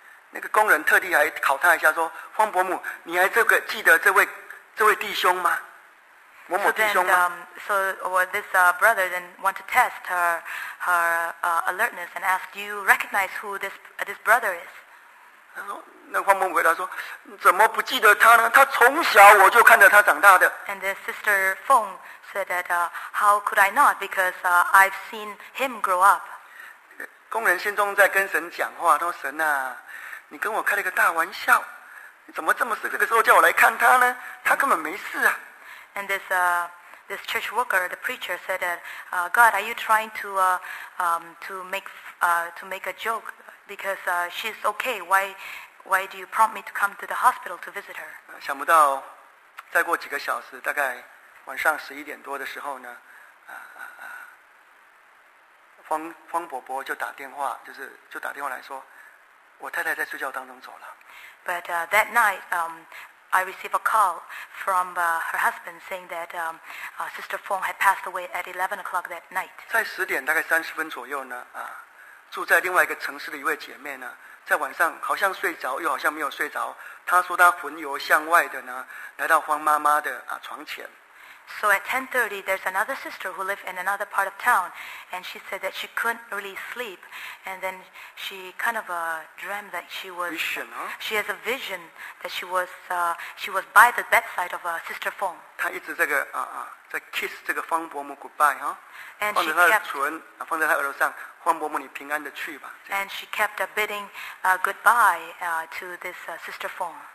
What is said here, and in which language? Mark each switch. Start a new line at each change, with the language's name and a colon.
Chinese: 那个工人特地还考他一下说，光伯母，你还这个记得这位弟兄吗？某某弟兄吗
English: ？So then, so this brother then want to test her alertness and ask, do you recognize who this brother is?
Chinese: 那方伯母回答说：“怎么不记得他呢？他从小我就看着他长大的。”
English: And the sister Fong said that, "How could I not? Because I've seen him grow up."
Chinese: 工人心中在跟神讲话，他说：“神啊，你跟我开了一个大玩笑，你怎么这么这个时候叫我来看他呢？他根本没事啊。”
English: And this church worker, the preacher, said that, "God, are you trying to make a joke? Because she's okay. Why do you prompt me to come to the hospital to visit her?"
Chinese: 想不到，再过几个小时，大概晚上11点的时候呢，方伯伯就打电话，就打电话来说，我太太在睡觉当中走了。
English: But that night, I received a call from her husband saying that Sister Fong had passed away at 11 o'clock that night.
Chinese: 在10:30左右呢，住在另外一个城市的一位姐妹呢。在晚上好像睡着又好像没有睡着，他说他魂游向外的呢，来到方妈妈的床前。
English: So at 10:30, there's another sister who lived in another part of town, and she said that she couldn't really sleep, and then she kind of dreamt that she was... Vision, huh? She has a vision that she was by the bedside of Sister Fong.
Chinese: 她一直在 kiss 这个 Fong 伯母
English: goodbye, huh? And
Chinese: 放在她耳朵上,黄伯母你平安地去吧,
English: and she kept bidding goodbye to this Sister Fong.